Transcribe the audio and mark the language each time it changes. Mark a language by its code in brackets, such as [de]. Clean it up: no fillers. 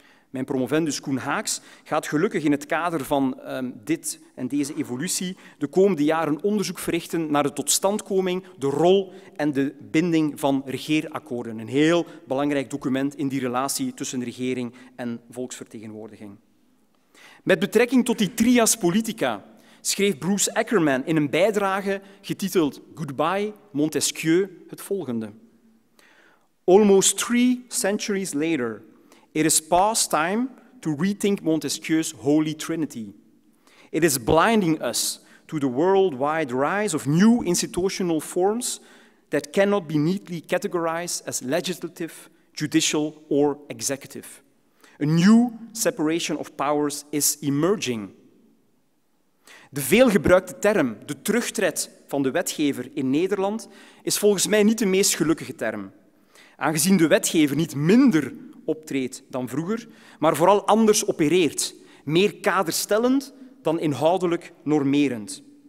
[nl] Mijn promovendus Koen Haaks gaat gelukkig in het kader van dit en deze evolutie de komende jaren onderzoek verrichten naar de totstandkoming, de rol en de binding van regeerakkoorden. Een heel belangrijk document in die relatie tussen regering en volksvertegenwoordiging. Met betrekking tot die trias politica schreef Bruce Ackerman in een bijdrage getiteld Goodbye Montesquieu het volgende. [en] Almost three centuries later, it is past time to rethink Montesquieu's Holy Trinity. It is blinding us to the worldwide rise of new institutional forms that cannot be neatly categorized as legislative, judicial or executive. A new separation of powers is emerging. [nl] De veelgebruikte term, de terugtred van de wetgever in Nederland, is volgens mij niet de meest gelukkige term. Aangezien de wetgever niet minder optreedt dan vroeger, maar vooral anders opereert, meer kaderstellend dan inhoudelijk normerend.